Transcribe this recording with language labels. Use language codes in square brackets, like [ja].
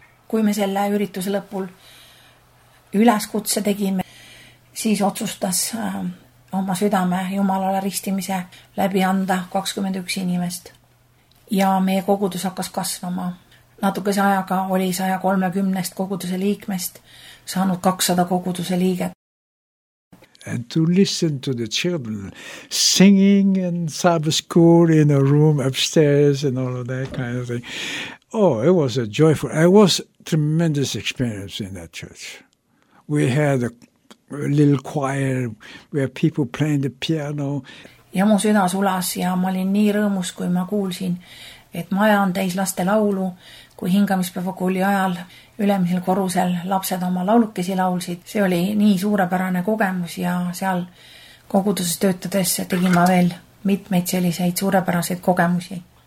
[et] Kui me selle ürituse lõpul üleskutse tegime, siis otsustas oma südame Jumalale ristimise läbi anda 21 inimest. Ja meie kogudus hakkas kasvama. natukese ajaga oli 130 koguduse liikmest saanud 200 koguduse liiget. [en] And to listen to the children singing in Sabbath school in a room upstairs and all of that kind of thing. Oh, it was a joyful, it was tremendous experience in that church. We had a little choir where people playing the piano. [et] Ja mu süda sulas ja ma olin nii rõõmus, kui ma kuulsin, et maja on täis laste laulu, kui hingamispäeva kooli ajal ülemisel korusel lapsed oma laulukesi laulsid. See oli nii suurepärane kogemus ja seal koguduses töötades tegin ma veel mitmeid selliseid suurepäraseid kogemusi.